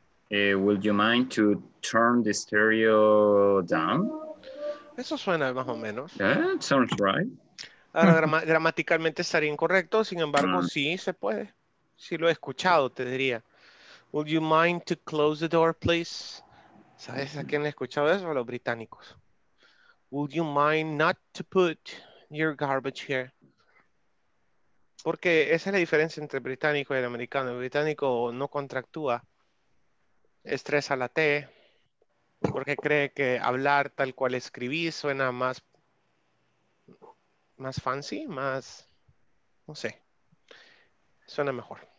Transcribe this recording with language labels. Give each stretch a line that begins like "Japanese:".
English: Would you mind to turn the stereo down?
Spanish: Eso suena más o menos.
English: That sounds right.
Spanish: Ahora, gramaticalmente estaría incorrecto, sin embargo, sí se puede. Sí lo he escuchado, te diría.
English: Would you mind to close the door, please?
Spanish: ¿Sabes a quién le he escuchado eso? A los británicos.
English: Would you mind not to put your garbage here?
Spanish: Porque esa es la diferencia entre el británico y el americano. El británico no contractúa. Estresa la T, porque cree que hablar tal cual escribí suena más fancy, más, no sé, suena mejor.